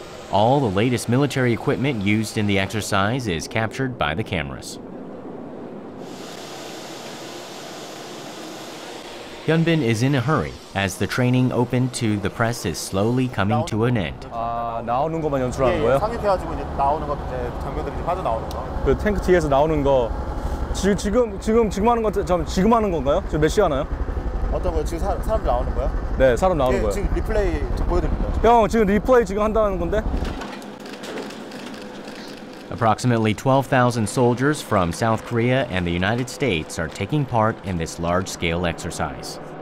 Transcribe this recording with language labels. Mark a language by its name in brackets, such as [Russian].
[English] All the latest military equipment used in the exercise is captured by the cameras. Hyun-bin is in a hurry as the training open to the press is slowly coming to an end. [Korean] 나오는 것만 연출하는 거예요? 상의해가지고 이제 나오는 것, 이제 장병들이 빠져 나오는 거. 그 탱크 뒤에서 나오는 거 지금 하는 것 잠 지금 하는 건가요? 지금 몇 시 하나요? 어떤 거 지금 사람들 나오는 거야? 네, 사람 나오는 거예요. 지금 리플레이 보여드립니다. 형 지금 리플레이 지금 한다는 건데? [English] Approximately 12,000 soldiers from South Korea and the United States are taking part in this large-scale exercise.